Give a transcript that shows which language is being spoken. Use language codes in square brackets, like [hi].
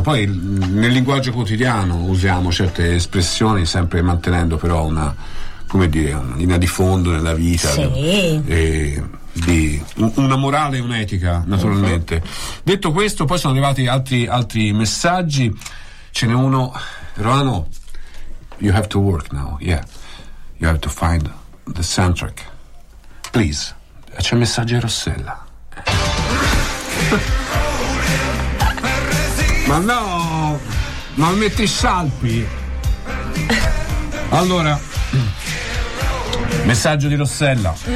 [it] Poi nel linguaggio quotidiano usiamo certe espressioni, sempre mantenendo però una, come dire, una linea di fondo nella vita. Sì. Una morale e un'etica, naturalmente. Sì. Detto questo, poi sono arrivati altri messaggi. Ce n'è uno. [en] Romano, you have to work now, yeah. You have to find the soundtrack. [it] Please, c'è un messaggio di Rossella. Ma no, ma metti i salpi. Allora, messaggio di Rossella.